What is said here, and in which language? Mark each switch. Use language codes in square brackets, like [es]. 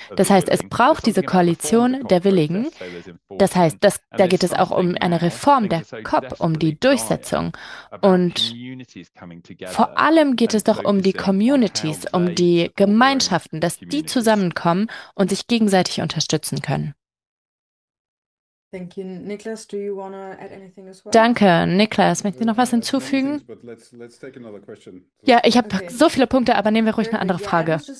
[de] Das heißt, es braucht diese Koalition der Willigen. Das heißt, da geht es auch um eine Reform der COP, um die Durchsetzung. Und vor allem geht es doch um die Communities, um die Gemeinschaften, dass die zusammenkommen und sich gegenseitig unterstützen können. [en] Thank you. Niklas, do you want to add anything as well? [de] Danke, Niklas. Möchtest du noch was hinzufügen? [en] Let's take another question. [de] Ja, ich habe okay. So viele Punkte, aber nehmen wir ruhig eine andere Frage.